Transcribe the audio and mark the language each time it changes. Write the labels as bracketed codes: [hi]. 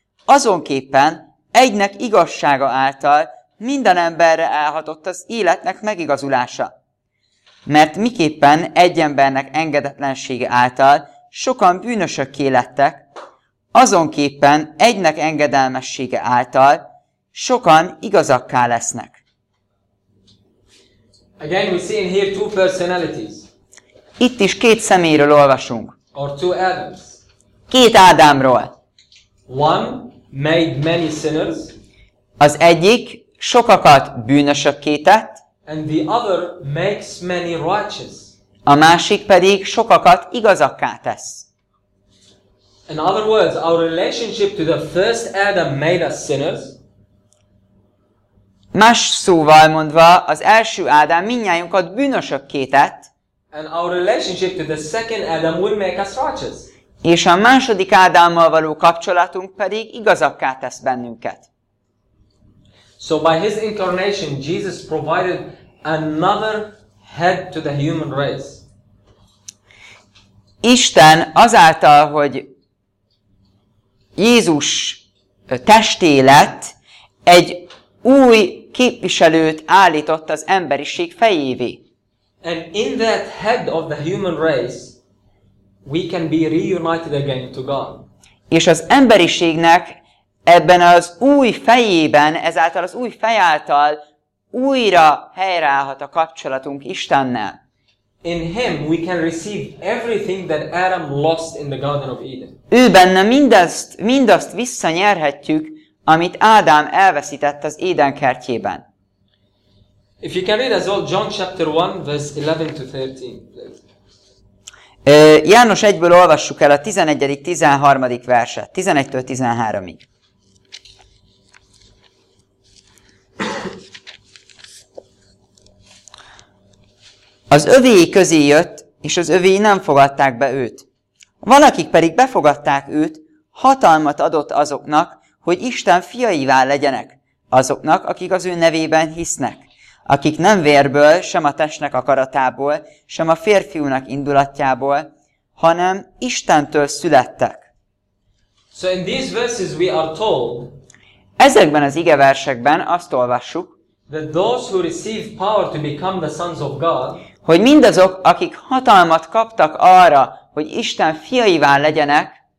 [hu] Azonképpen egynek igazsága által minden emberre elhatott az életnek megigazulása. Mert miképpen egy embernek engedetlensége által sokan bűnösökké lettek, azonképpen egynek engedelmessége által sokan igazakká lesznek. [en] Again we see in here two personalities. [hu] Itt is két személyről olvasunk. [en] Or two Adams. [hu] Két Ádámról. [en] One made many sinners. [hu] Az egyik sokakat bűnösökké tett. [en] And the other makes many righteous. [hu] A másik pedig sokakat igazakká tesz. [en] In other words, our relationship to the first Adam made us sinners. [hu] Más szóval mondva, az első Ádám minnyájunkat bűnösökké tett. [en] And our relationship to the second Adam will make us righteous. [hu] És a második Ádámmal való kapcsolatunk pedig igazakká tesz bennünket. [en] So by his incarnation Jesus provided another head to the human race. [hu] Isten azáltal, hogy Jézus testé lett, egy új képviselőt állított az emberiség fejévé. [en] And in that head of the human race we can be reunited again to God. [hu] És az emberiségnek ebben az új fejében, ezáltal az új fej által újra helyreállhat a kapcsolatunk Istennel. [en] In him we can receive everything that Adam lost in the Garden of Eden. [hu] Ő benne mindazt visszanyerhetjük, amit Ádám elveszített az Éden kertjében. [en] If you can read as well John chapter 1 verse 11 to 13. [hu] János 1-ből olvassuk el a 11. 13. verset, 11-től 13-ig. Az övéi közé jött, és az övéi nem fogadták be őt. Valakik pedig befogadták őt, hatalmat adott azoknak, hogy Isten fiaivá legyenek, azoknak, akik az ő nevében hisznek, akik nem vérből, sem a testnek akaratából, sem a férfiúnak indulatjából, hanem Istentől születtek. [en] So in these verses we are told, [hu] ezekben az igeversekben azt olvassuk, [en] that those who receive power to become the sons of God, [hu] hogy mindazok, akik hatalmat kaptak arra, hogy Isten fiaivá legyenek,